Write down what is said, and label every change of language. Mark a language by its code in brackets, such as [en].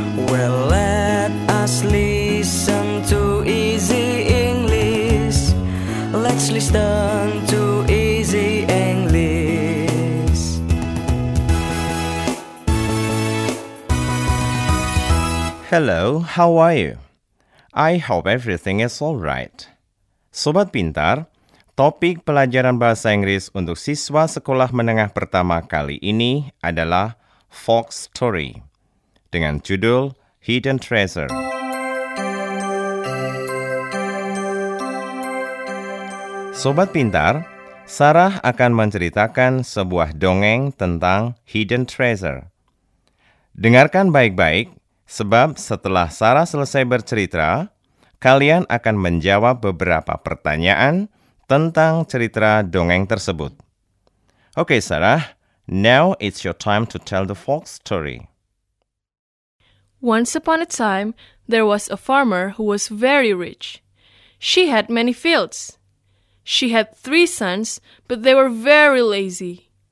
[en] Well, let us listen to Easy English. Let's listen to Easy English. Hello, how are you? I hope everything is all right. [id] Sobat Pintar, topik pelajaran bahasa Inggris untuk siswa sekolah menengah pertama kali ini adalah Fox Story, dengan judul Hidden Treasure. Sobat Pintar, Sarah akan menceritakan sebuah dongeng tentang Hidden Treasure. Dengarkan baik-baik, sebab setelah Sarah selesai bercerita, kalian akan menjawab beberapa pertanyaan tentang cerita dongeng tersebut. Oke, Sarah. [en] Now it's your time to tell the fox story. Once upon a time, there was a farmer who was very rich. She had many fields. She had 3 sons, but they were very lazy.